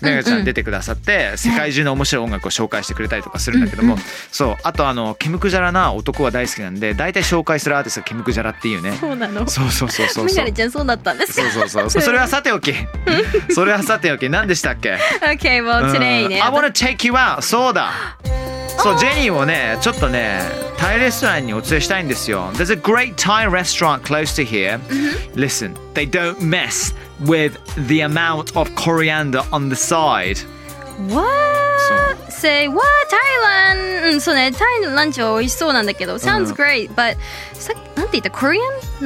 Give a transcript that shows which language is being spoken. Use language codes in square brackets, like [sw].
[ja] メガちゃん出てくださって世界中の面白い音楽を紹介してくれたりとかするんだけども、うんうん、そう、あとあのケムクジャラな男が大好きなんで、大体紹介するアーティストがケムクジャラっていうね、そうなの、そうメガネちゃんそうだったんですか、そうそれはさておきそれはさておき、何でしたっけ、 [en] OK well today ね、 [ja] うん、 [en] I wanna take you out、 [ja] そうだ、そう、ジェニーをね、ちょっとね、タイレストランにお連れしたいんですよ。 [en] There's a great Thai restaurant close to here. Listen, they don't mess with the amount of coriander on the side. What? Say what? Thailand? [ja] そうね、タイのランチは美味しそうなんだけど、 [en] Sounds great, but [ja] さっき、なんて言った、コリアン？